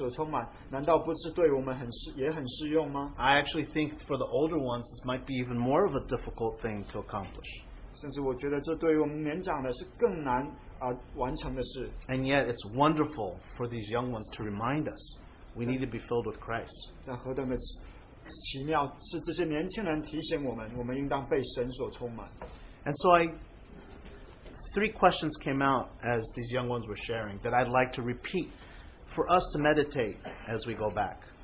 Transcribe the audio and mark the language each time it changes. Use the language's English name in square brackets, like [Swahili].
[Chinese] 那这样他们所分享的，被神所充满，而不是被这个世界所充满，难道不是对我们很适，也很适用吗？ [English] I actually think for the older ones, this might be even more of a difficult thing to accomplish. [Chinese] 甚至我觉得这对于我们年长的是更难, [English] And yet it's wonderful for these young ones to remind us we need to be filled with Christ. [Chinese] 但何等的奇妙是这些年轻人提醒我们，我们应当被神所充满。 [English] And so three questions came out as these young ones were sharing that I'd like to repeat for us to meditate as we go back.